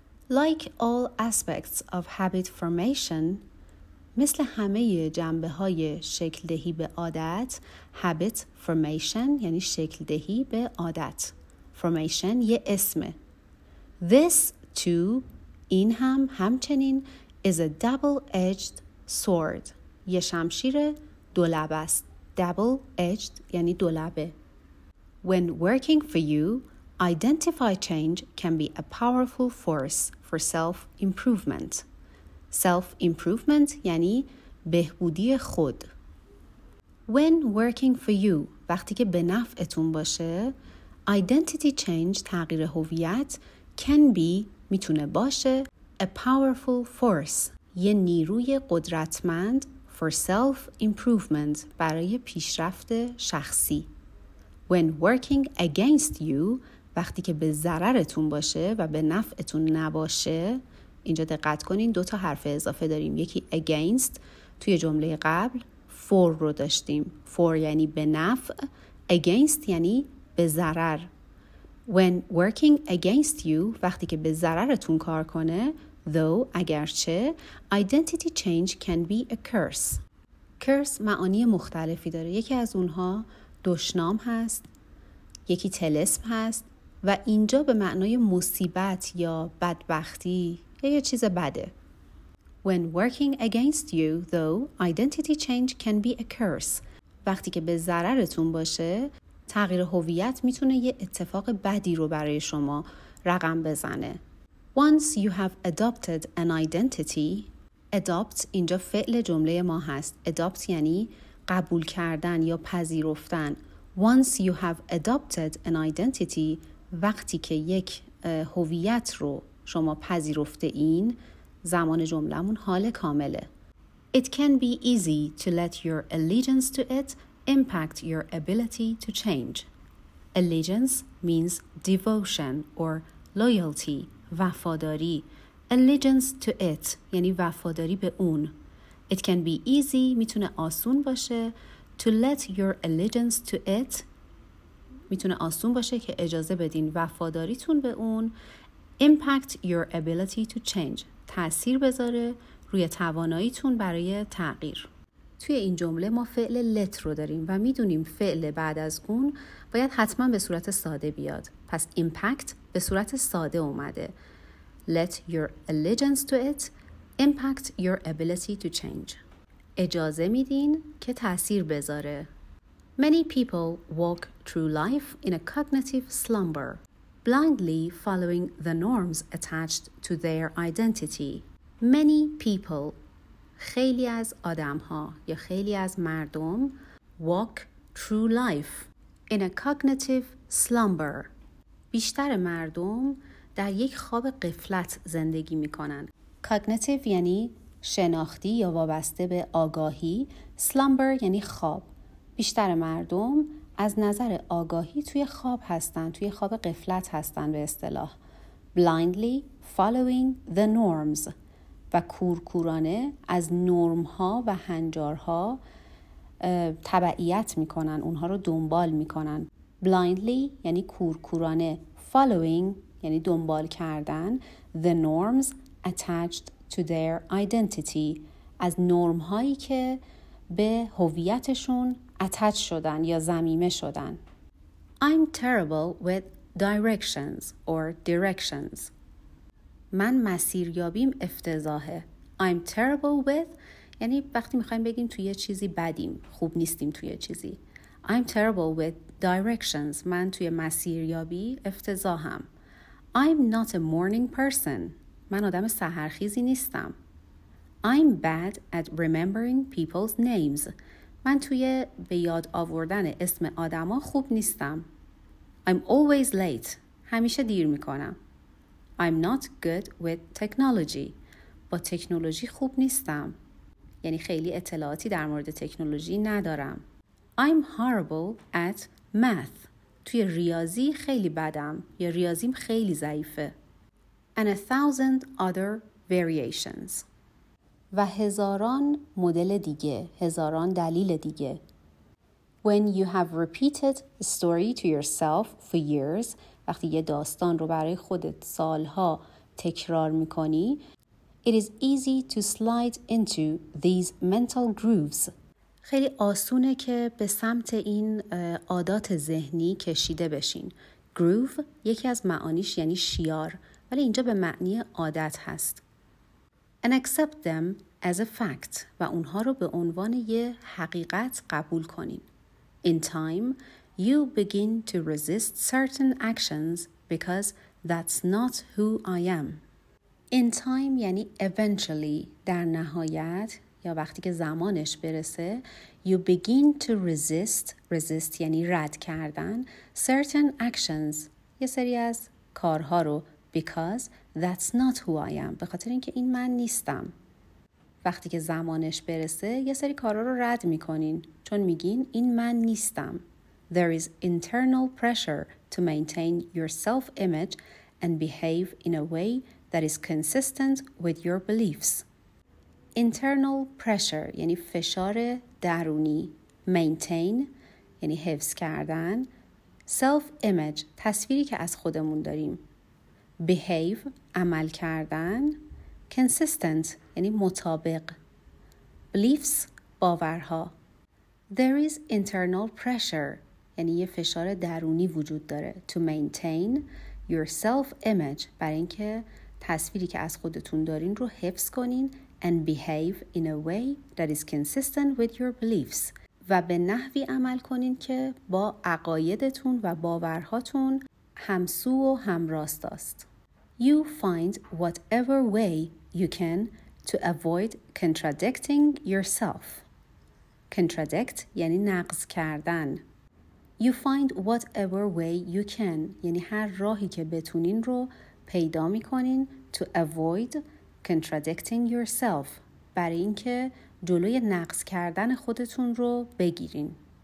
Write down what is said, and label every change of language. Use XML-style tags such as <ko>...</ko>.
<en>Like all aspects of habit formation,</en> <fa>مثل همه جنبه های شکل دهی به عادت, habit formation یعنی شکل دهی به عادت. Formation یه اسمه.</fa> <en>This too,</en> <fa>این هم همچنین,</fa> <en>is a double-edged sword.</en> <fa>یه شمشیر دولب است. Double-edged یعنی دولبه.</fa> <en>When working for you, identify change can be a powerful force for self-improvement.</en> <fa>Self-improvement یعنی بهبودی خود.</fa> <en>When working for you,</en> <fa>وقتی که به نفعتون باشه,</fa> <en>identity change,</en> <fa>تغییر هویت,</fa> <en>can be,</en> <fa>میتونه باشه,</fa> <en>a powerful force,</en> <fa>یه نیروی قدرتمند,</fa> <en>for self-improvement,</en> <fa>برای پیشرفت شخصی.</fa> <en>When working against you,</en> <fa>وقتی که به ضررتون باشه و به نفعتون نباشه, اینجا دقت کنین, دوتا حرف اضافه داریم. یکی against, توی جمله قبل for رو داشتیم. For یعنی به نفع, against یعنی به ضرر.</fa> <en>When working against you,</en> <fa>وقتی که به ضررتون کار کنه,</fa> <en>though,</en> <fa>اگرچه,</fa> <en>identity change can be a curse.</en> <fa>Curse معانی مختلفی داره. یکی از اونها دشنام هست, یکی طلسم هست, و اینجا به معنای مصیبت یا بدبختی یا یه چیز بده.</fa> <en>When working against you, though, identity change can be a curse.</en> <fa>وقتی که به ضررتون باشه, تغییر هویت میتونه یه اتفاق بدی رو برای شما رقم بزنه.</fa> <en>Once you have adopted an identity, adopt</en> <fa>اینجا فعل جمله ما هست. Adopt یعنی قبول کردن یا پذیرفتن.</fa> <en>Once you have adopted an identity,</en> <fa>وقتی که یک هویت رو شما پذیرفته این, زمان جملمون حال کامله.</fa> <en>It can be easy to let your allegiance to it impact your ability to change. Allegiance means devotion or loyalty,</en> <fa>وفاداری.</fa> <en>Allegiance to it</en> <fa>یعنی وفاداری به اون.</fa> <en>It can be easy,</en> <fa>میتونه آسون باشه,</fa> <en>to let your allegiance to it,</en> <fa>میتونه آسون باشه که اجازه بدین وفاداریتون به اون,</fa> <en>impact your ability to change,</en> <fa>تأثیر بذاره روی تواناییتون برای تغییر. توی این جمله ما فعل let رو داریم و میدونیم فعل بعد از اون باید حتما به صورت ساده بیاد. پس impact به صورت ساده اومده.</fa> <en>Let your allegiance to it impact your ability to change.</en> <fa>اجازه میدین که تأثیر بذاره.</fa> <en>Many people walk through life in a cognitive slumber, blindly following the norms attached to their identity. Many people,</en> <fa>خیلی از آدم ها یا خیلی از مردم,</fa> <en>walk through life in a cognitive slumber.</en> <fa>بیشتر مردم در یک خواب غفلت زندگی می کنن. Cognitive یعنی شناختی یا وابسته به آگاهی. Slumber یعنی خواب. بیشتر مردم از نظر آگاهی توی خواب هستن, توی خواب غفلت هستن به اصطلاح.</fa> <en>Blindly following the norms,</en> <fa>و کورکورانه از نرمها و هنجارها تبعیت میکنن, اونها رو دنبال میکنن. Blindly یعنی کورکورانه, following یعنی دنبال کردن,</fa> <en>the norms attached to their identity,</en> <fa>از نرمهایی که به هویتشون اتچ شدن یا ضمیمه شدن.</fa> <en>I'm terrible with directions or directions.</en> <fa>من مسیریابیم افتضاحه.</fa> <en>I'm terrible with</en> <fa>یعنی وقتی میخواییم بگیم توی یه چیزی بدیم, خوب نیستیم توی یه چیزی.</fa> <en>I'm terrible with directions.</en> <fa>من توی مسیریابی افتضاحم.</fa> <en>I'm not a morning person.</en> <fa>من آدم سحرخیزی نیستم.</fa> <en>I'm bad at remembering people's names.</en> <fa>من توی به یاد آوردن اسم آدما خوب نیستم.</fa> <en>I'm always late.</en> <fa>همیشه دیر میکنم.</fa> <en>I'm not good with technology.</en> <fa>با تکنولوژی خوب نیستم. یعنی خیلی اطلاعاتی در مورد تکنولوژی ندارم.</fa> <en>I'm horrible at math.</en> <fa>توی ریاضی خیلی بدم یا ریاضیم خیلی ضعیفه.</fa> <en>And a thousand other variations.</en> <fa>و هزاران مدل دیگه, هزاران دلیل دیگه.</fa> <en>When you have repeated a story to yourself for years,</en> <fa>وقتی یه داستان رو برای خودت سالها تکرار میکنی،</fa> <en>It is easy to slide into these mental grooves.</en> <fa>خیلی آسونه که به سمت این عادات ذهنی کشیده بشین. Groove یکی از معانیش یعنی شیار، ولی اینجا به معنی عادت هست.</fa> <en>And accept them as a fact</en> <fa>و اونها رو به عنوان یه حقیقت قبول کنین.</fa> <en>In time, you begin to resist certain actions because that's not who I am. In time</en> <fa>یعنی eventually، در نهایت یا وقتی که زمانش برسه،</fa> <en>you begin to resist</en> <fa>یعنی رد کردن،</fa> <en>certain actions،</en> <fa>یه سری از کارها رو،</fa> <en>because that's not who I am،</en> <fa>به خاطر اینکه این من نیستم. وقتی که زمانش برسه یه سری کارا رو رد میکنین چون میگین این من نیستم.</fa> <en>There is internal pressure to maintain your self-image and behave in a way that is consistent with your beliefs.</en> <fa>Internal pressure یعنی فشار درونی. Maintain یعنی حفظ کردن.</fa> <en>Self-image</en> <fa>تصویری که از خودمون داریم. Behave عمل کردن. Consistent یعنی مطابق. Beliefs باورها.</fa> <en>There is internal pressure</en> <fa>یعنی یه فشار درونی وجود داره.</fa> <en>To maintain your self-image</en> <fa>برای اینکه تصویری که از خودتون دارین رو حفظ کنین.</fa> <en>And behave in a way that is consistent with your beliefs</en> <fa>و به نحوی عمل کنین که با عقایدتون و باورهاتون همسو و همراست است.</fa> <en>You find whatever way you can to avoid contradicting yourself.</en> <fa>Contradict یعنی نقض کردن.</fa> <en>You find whatever way you can</en> <fa>یعنی هر راهی که بتونین رو پیدا میکنین</fa> <en>to avoid contradicting yourself</en> <fa>برای اینکه جلوی نقض کردن خودتون رو بگیرین.</fa>